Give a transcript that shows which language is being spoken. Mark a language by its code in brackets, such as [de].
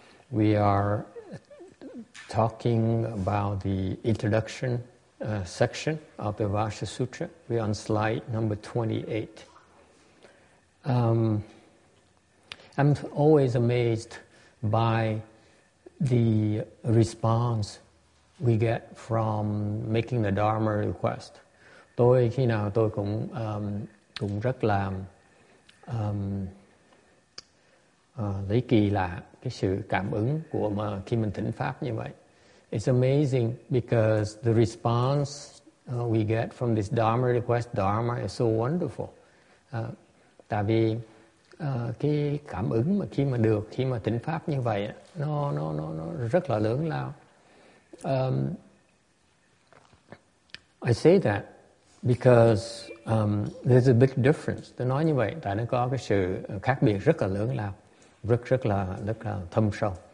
[en] We are talking about the introduction section of the Vajra Sutra. We are on slide number 28. I'm always amazed by the response we get from making the Dharma request. [vi] Tôi khi nào tôi cũng cũng rất là lấy kỳ lạ cái sự cảm ứng của mà khi mình thỉnh pháp như vậy. [en] It's amazing because the response we get from this Dharma request, Dharma is so wonderful. [vi] Tại vì cái cảm ứng mà khi mà được khi mà thỉnh pháp như vậy nó rất là lớn lao. [en] I say that because there's a big difference. [vi] Tôi nói như vậy tại nó có cái sự khác biệt rất là lớn lao, rất là thâm sâu.